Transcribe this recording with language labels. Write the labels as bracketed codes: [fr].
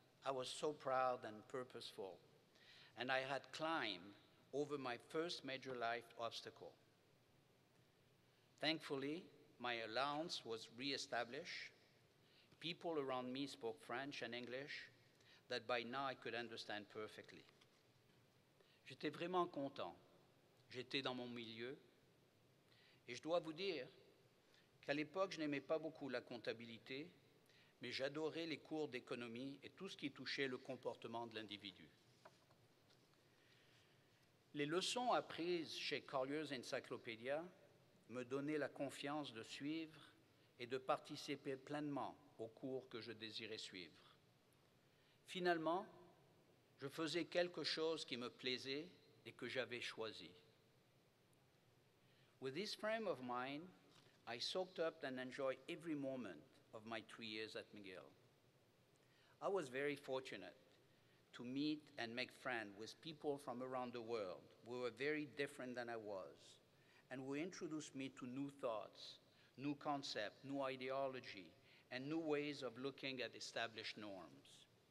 [en] I was so proud and purposeful, and I had climbed over my first major life obstacle. Thankfully, my allowance was reestablished. People around me spoke French and English that by now I could understand perfectly. [fr] J'étais vraiment content. J'étais dans mon milieu. Et je dois vous dire qu'à l'époque, je n'aimais pas beaucoup la comptabilité, mais j'adorais les cours d'économie et tout ce qui touchait le comportement de l'individu. Les leçons apprises chez Collier's Encyclopedia me donnaient la confiance de suivre et de participer pleinement au cours que je désirais suivre. Finalement, je faisais quelque chose qui me plaisait et que j'avais choisi. [en] With this frame of mind, I soaked up and enjoyed every moment of my 3 years at McGill. I was very fortunate to meet and make friends with people from around the world who were very different than I was, and who introduced me to new thoughts, new concepts, new ideology, and new ways of looking at established norms.